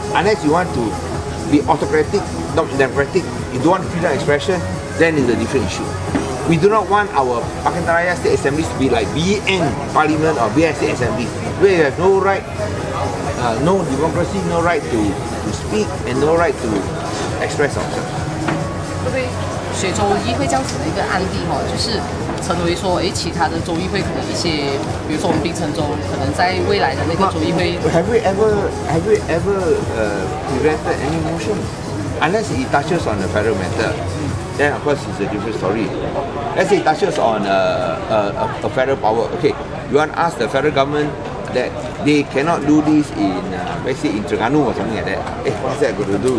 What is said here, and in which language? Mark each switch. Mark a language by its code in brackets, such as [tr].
[en] Unless you want to be autocratic, not democratic, you don't want freedom of expression, then it's a different issue. We do not want our Pakatan Raya State Assembly to be like BN Parliament or BN State Assembly, where you have no right, no democracy, no right to speak, and no right to express ourselves. Okay. [zh] 水州议会这样子的一个案例哈，就是成为说，其他的州议会可能一些，比如说我们槟城州，可能在未来的那个州议会 [en] ，Have we ever prevented any motion? Unless it touches on the federal matter, then of course it's a different story. Let's say it touches on a federal power. Okay, you want to ask the federal government that they cannot do this in, let's say in Terengganu or something like that. What's that going to do?